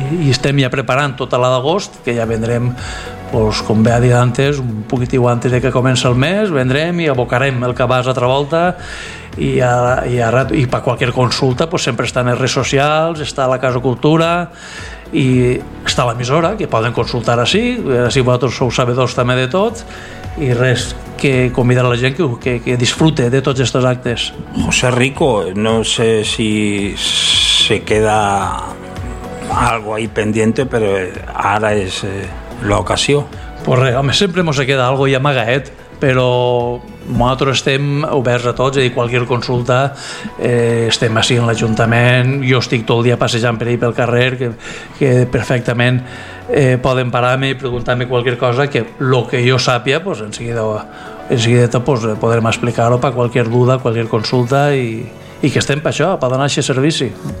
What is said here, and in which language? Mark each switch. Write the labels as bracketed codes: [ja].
[ca] estem ja preparant tota la d'agost, que ja vendrem pues, com bé ha dit antes, un poquitiu antes de que comença el mes, vendrem i abocarem el cabàs a Travolta i per qualsevol consulta pues, sempre estan les redes socials, està la Casa Cultura i està l'emissora, que poden consultar així vosaltres sou sabedors també de tot, i res, que convidar la gent que disfrute de tots aquests actes. [es] José Rico, no sé si se queda algo ahí pendiente, pero ahora es la ocasión. [ca] Pues re, home, sempre mos se queda algo ahí amagaet, però nosaltres estem oberts a tots, i qualsevol consulta, estem així en l'Ajuntament, jo estic tot el dia passejant per ahí pel carrer, que perfectament poden parar-me i preguntar-me qualsevol cosa, que el que jo sàpia, pues, en seguida pues, podrem explicar-ho per qualsevol duda, qualsevol consulta, i que estem per això, per donar aquest servici.